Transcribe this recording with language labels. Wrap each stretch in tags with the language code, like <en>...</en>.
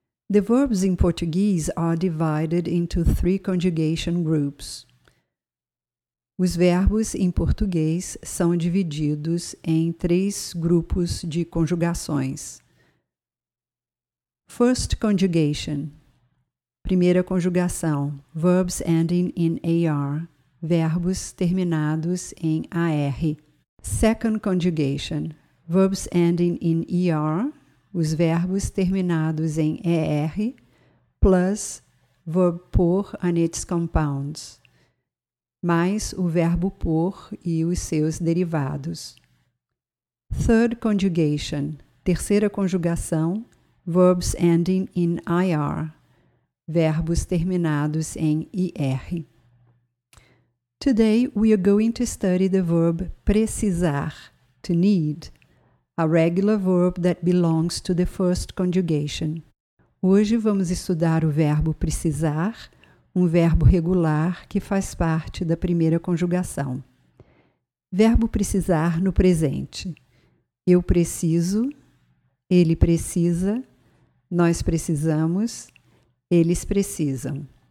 <en>The verbs in Portuguese are divided into three conjugation groups.</en> <pt>Os verbos em português são divididos em três grupos de conjugações.</pt> <en>First conjugation.</en> <pt>Primeira conjugação,</pt> <en>verbs ending in AR,</en> <pt>verbos terminados em AR.</pt> <en>Second conjugation, verbs ending in ER,</en> <pt>os verbos terminados em ER,</pt> <en>plus verb por and its compounds,</en> <pt>mais o verbo por e os seus derivados.</pt> <en>Third conjugation,</en> <pt>terceira conjugação,</pt> <en>verbs ending in IR,</en> <pt>verbos terminados em IR.</pt> <en>Today we are going to study the verb precisar, to need, a regular verb that belongs to the first conjugation.</en> <pt>Hoje vamos estudar o verbo precisar, um verbo regular que faz parte da primeira conjugação. Verbo precisar no presente. Eu preciso, ele precisa, nós precisamos, eles precisam.</pt>